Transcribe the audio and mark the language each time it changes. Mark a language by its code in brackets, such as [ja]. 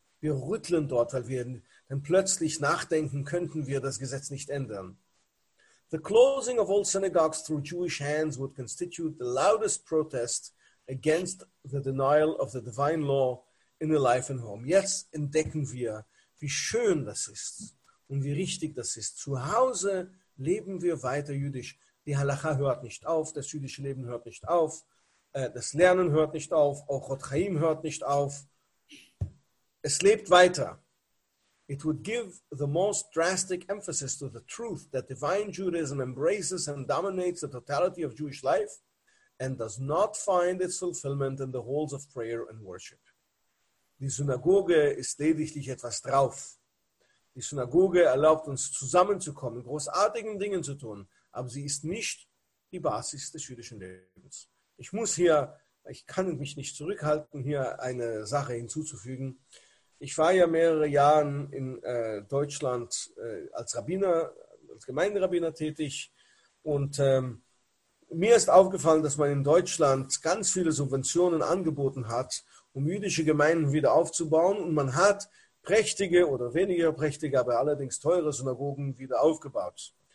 [de] Wir rütteln dort, weil wir dann plötzlich nachdenken, könnten wir das Gesetz nicht ändern. [en] The closing of all synagogues through Jewish hands would constitute the loudest protest against the denial of the divine law in the life and home. [de] Jetzt entdecken wir, wie schön das ist und wie richtig das ist. Zu Hause leben wir weiter jüdisch. Die Halacha hört nicht auf, das jüdische Leben hört nicht auf, das Lernen hört nicht auf, auch Rot Chaim hört nicht auf. Es lebt weiter. [en] It would give the most drastic emphasis to the truth that divine Judaism embraces and dominates the totality of Jewish life and does not find its fulfillment in the halls of prayer and worship. [de] Die Synagoge ist lediglich etwas drauf. Die Synagoge erlaubt uns zusammenzukommen, großartigen Dingen zu tun, aber sie ist nicht die Basis des jüdischen Lebens. Ich muss hier, ich kann mich nicht zurückhalten, hier eine Sache hinzuzufügen. Ich war ja mehrere Jahre in Deutschland als Rabbiner, als Gemeinderabbiner tätig und mir ist aufgefallen, dass man in Deutschland ganz viele Subventionen angeboten hat, um jüdische Gemeinden wieder aufzubauen und man hat prächtige oder weniger prächtige, aber allerdings teure Synagogen wieder aufgebaut.